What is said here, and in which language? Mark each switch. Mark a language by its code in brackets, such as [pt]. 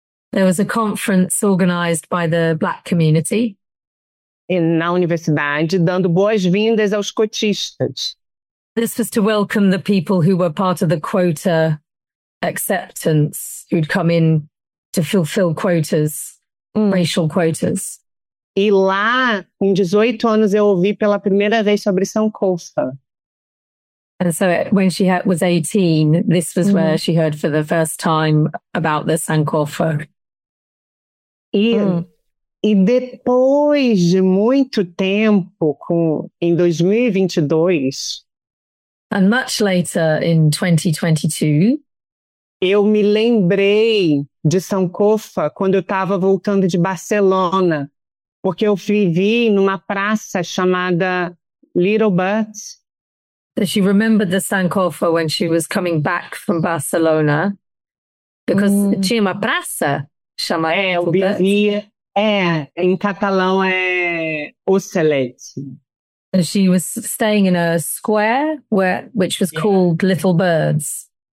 [en] There was a conference organized by the black community. [pt] Na universidade, dando boas-vindas aos cotistas. [en] This was to welcome the people who were part of the quota acceptance, who'd come in to fulfill quotas, racial quotas. [pt] E lá, com 18 anos, eu ouvi pela primeira vez sobre Sankofa. [en] And so when she was 18, this was where she heard for the first time about the Sankofa. [pt] E depois de muito tempo, em 2022... [en] And much later, in 2022... [pt] Eu me lembrei de Sankofa quando eu estava voltando de Barcelona, porque eu vivi numa praça chamada Little Butts. [en] So she remembered the Sankofa when she was coming back from Barcelona, because [pt] tinha uma praça chamada Little Butts. Eu vivia... É, em catalão é Ocelet. [en] And she was staying in a square which was called Little Birds.